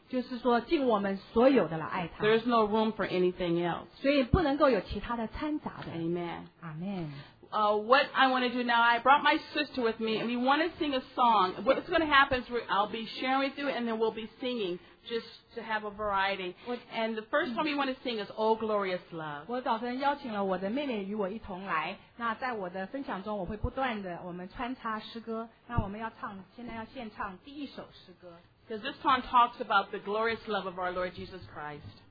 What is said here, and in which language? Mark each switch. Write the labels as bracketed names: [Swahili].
[Chinese] 就是说尽我们所有的来爱他。 [English] There's no room for anything else. [Chinese] 所以不能够有其他的掺杂的。 [English] Amen. Amen. what I want to do now, I brought my sister with me, and we want to sing a song. What's going to happen is I'll be sharing with you, and then we'll be singing just to have a variety. And the first song we want to sing is Oh Glorious Love. [Chinese] 我早晨邀请了我的妹妹与我一同来，那在我的分享中，我会不断的我们穿插诗歌。那我们要唱，现在要献唱第一首诗歌。 [English] Because this song talks about the glorious love of our Lord Jesus Christ.